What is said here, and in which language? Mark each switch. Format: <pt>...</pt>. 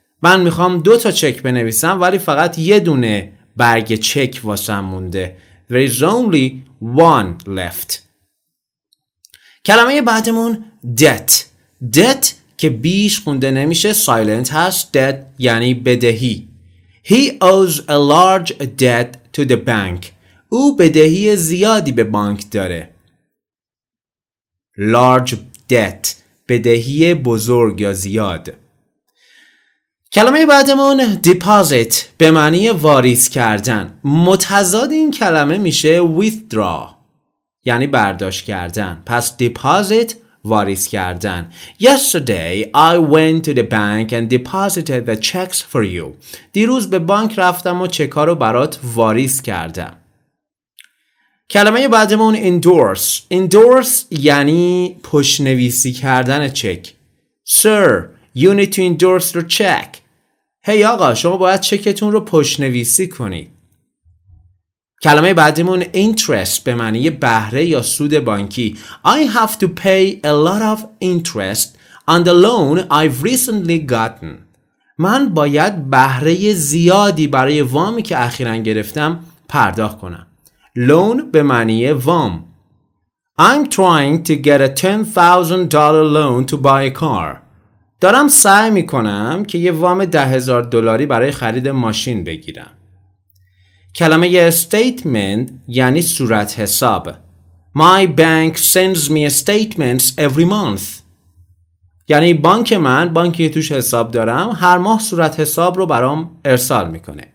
<fa>من میخوام دو تا چک بنویسم، ولی فقط یه دونه برگ چک واسم مونده.</fa> <en>There is only one left.</en> <fa>کلمه بعدمون debt. Debt که بیش خونده نمیشه، سایلنت هست. Debt یعنی بدهی.</fa> <en>He owes a large debt to the bank.</en> <fa>او بدهی زیادی به بانک داره. Large debt، بدهی بزرگ یا زیاد. کلمه بعدمون deposit به معنی واریز کردن. متضاد این کلمه میشه withdraw یعنی برداشت کردن. پس deposit واریز کردن.</fa> <en>Yesterday I went to the bank and deposited the checks for you.</en> <fa>دیروز به بانک رفتم و چک‌ها رو برات واریز کردم. کلمه بعدمون endorse. Endorse یعنی پشت‌نویسی کردن چک.</fa> <en>Sir, you need to endorse your check.</en> <fa>هی آقا، شما باید چکتون رو پشت‌نویسی کنید. کلمه بعدمون interest به معنی بهره یا سود بانکی.</fa> <en>I have to pay a lot of interest on the loan I've recently gotten.</en> <fa>من باید بهره زیادی برای وامی که اخیراً گرفتم پرداخت کنم. Loan به معنی وام.</fa> <en>I'm trying to get a $10,000 loan to buy a car.</en> <fa>دارم سعی میکنم که یه وام $10,000 برای خرید ماشین بگیرم. کلمه statement یعنی صورت حساب.</fa> <en>My bank sends me statements every month.</en> <fa>یعنی بانک من، بانکی که توش حساب دارم، هر ماه صورت حساب رو برام ارسال میکنه.</fa>